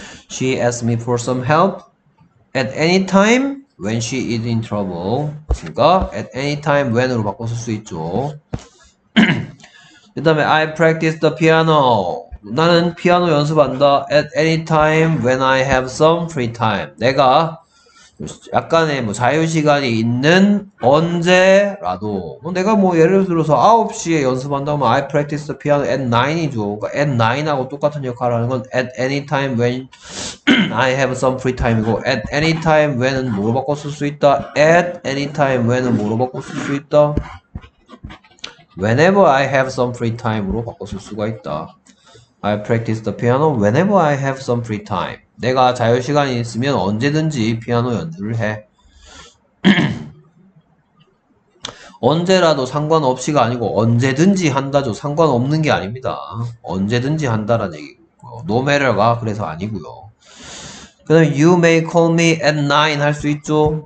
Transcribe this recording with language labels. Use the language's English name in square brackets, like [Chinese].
[English] She asked me for some help at any time when she is in trouble. [Korean] 그러니까 [English] at any time when으로 [Korean] 바꿔 쓸수 있죠. 그다음에 [English] I practice the piano. [Korean] 나는 피아노 연습한다. [English] At any time when I have some free time. [Korean] 내가 약간의 뭐 자유시간이 있는 언제라도. 내가 뭐 예를 들어서 9시에 연습한다면 [English] I practice the piano at 9 [Korean] 이죠. 그러니까 [English] at 9 [Korean] 하고 똑같은 역할을 하는 건 [English] at any time when I have some free time이고, at any time when은 [Korean] 뭐로 바꿔 쓸수 있다? [English] at any time when은 [Korean] 뭐로 바꿔 쓸수 있다? [English] whenever I have some free time으로 [Korean] 바꿔 쓸 수가 있다. [English] I practice the piano whenever I have some free time. [Korean] 내가 자유 시간이 있으면 언제든지 피아노 연주를 해. 언제라도 상관없이가 아니고 언제든지 한다죠. 상관없는 게 아닙니다. 언제든지 한다라는 얘기고요. No matter가 그래서 아니고요. 그다음에 [English] you may call me at 9 [Korean] 할수 있죠.